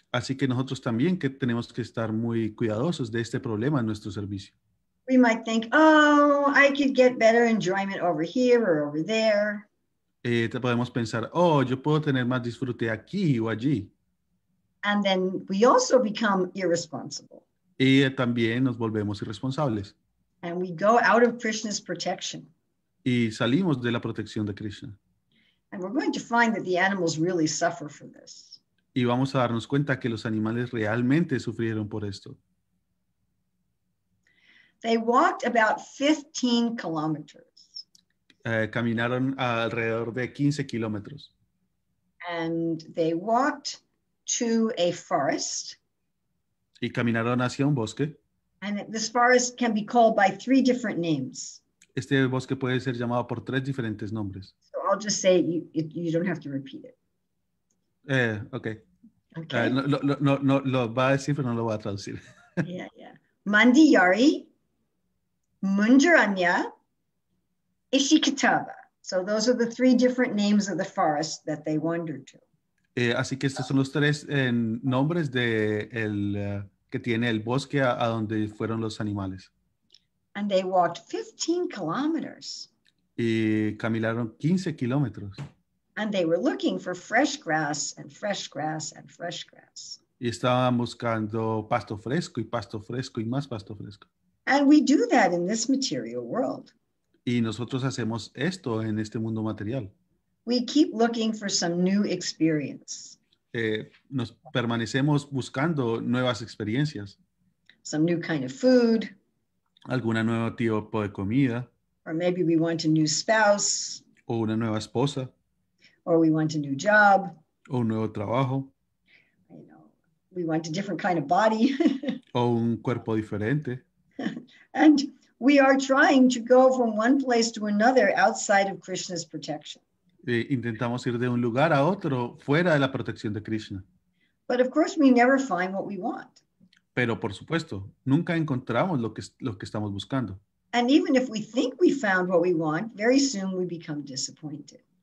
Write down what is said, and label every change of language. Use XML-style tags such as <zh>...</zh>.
<es>Así que nosotros también que tenemos que estar muy cuidadosos de este problema en nuestro servicio.</es> <en>We might think, oh, I could get better enjoyment over here or over there.</en> <es>Podemos pensar, oh, yo puedo tener más disfrute aquí o allí.</es> <en>And then we also become irresponsible.</en> <es>Y también nos volvemos irresponsables.</es> <en>And we go out of Krishna's protection.</en> <es>Y salimos de la protección de Krishna.</es> <en>And we're going to find that the animals really suffer from this.</en> <es>Y vamos a darnos cuenta que los animales realmente sufrieron por esto.</es> <en>They walked about 15 kilometers.</en> <es>Caminaron alrededor de 15 kilómetros.</es> <en>And they walked to a forest.</en> <es>Y caminaron hacia un bosque.</es> <en>And this forest can be called by three different names.</en> <es>Este bosque puede ser llamado por tres diferentes nombres.</es> <en>So I'll just say you don't have to repeat it. Okay.</en> <es>Lo va a decir, pero no lo va a traducir.</es> <en>Yeah. Mandiyari, Mundaranya, Ishikitaba. So those are the three different names of the forest that they wandered to.</en> <es>Así que estos son los tres nombres de que tiene el bosque a donde fueron los animales.</es> <en>And they walked 15 kilometers.</en> <es>Y caminaron 15 kilómetros.</es> <en>And they were looking for fresh grass and fresh grass and fresh grass.</en> <es>Y estaban buscando pasto fresco y pasto fresco y más pasto fresco.</es> <en>And we do that in this material world.</en> <es>Y nosotros hacemos esto en este mundo material.</es> <en>We keep looking for some new experience.</en> <es>Nos permanecemos buscando nuevas experiencias.</es> <en>Some new kind of food.</en> <es>Alguna nuevo tipo de comida.</es> <en>Or maybe we want a new spouse.</en> <es>O una nueva esposa.</es> <en>Or we want a new job.</en> <es>O un nuevo trabajo.</es> <en>You know, we want a different kind of body.</en> <es>O un cuerpo diferente.</es> <en>And we are trying to go from one place to another outside of Krishna's protection.</en> <es>Intentamos ir de un lugar a otro fuera de la protección de Krishna.</es> <en>But of course we never find what we want.</en> <es>Pero por supuesto, nunca encontramos lo que estamos buscando.</es> <en>And even if we think we found what we want, very soon we become disappointed.</en>